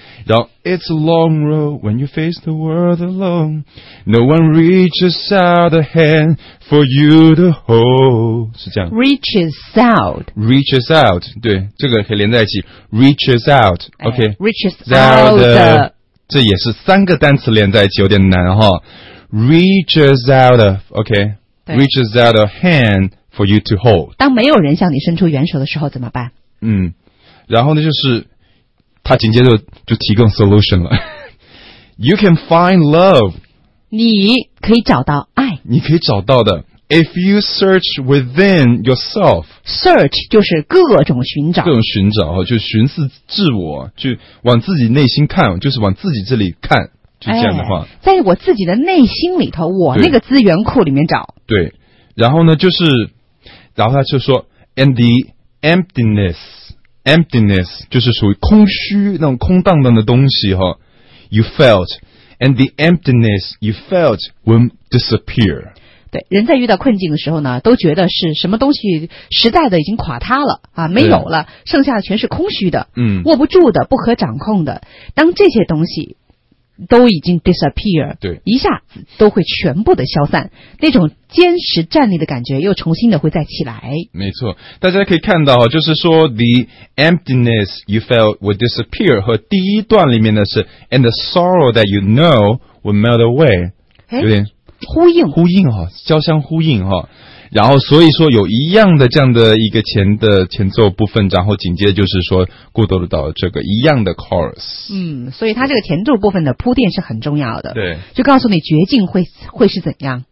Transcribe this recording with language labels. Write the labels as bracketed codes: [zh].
[zh] 然后 [en] It's a long road when you face the world alone, no one reaches out a hand for you to hold, [zh] 是这样。 [en] Reaches out, reaches out, [zh] 对，这个可以连在一起。 [en] Reaches out, OK,、哎、reaches out, [zh] out 这也是三个单词连在一起，有点难哈。 [en] Reaches out, OK, reaches out a hand. For you to hold. [zh] 当没有人向你伸出援手的时候怎么办？嗯，然后呢就是他紧接着就提供 solution 了。 [en] You can find love. [zh] 你可以找到爱。你可以找到的。 [en] If you search within yourself. [zh] Search 就是各种寻找。各种寻找，就寻思自我，就往自己内心看，就是往自己这里看，就这样的话。哎、在我自己的内心里头，我那个资源库里面找。对。对然后呢，就是，然后他就说 ， [en] and the emptiness [zh] 就是属于空虚那种空荡荡的东西哈 ， [en] you felt and the emptiness you felt will disappear。 [zh] 对，人在遇到困境的时候呢，都觉得是什么东西实在的已经垮塌了啊，没有了，剩下的全是空虚的，嗯，握不住的，不可掌控的，当这些东西。都已经 disappear, 对，一下子都会全部的消散，那种坚实站立的感觉又重新的会再起来。没错，大家可以看到，就是说 [en] the emptiness you felt would disappear [zh] 和第一段里面的是 [en] and the sorrow that you know would melt away, [zh] 有点呼应，呼应哈，交相呼应哈。然后所以说有一样的这样的一个前的前奏部分，然后紧接着就是说过渡到这个一样的 chorus。嗯，所以它这个前奏部分的铺垫是很重要的。对，就告诉你绝境会是怎样。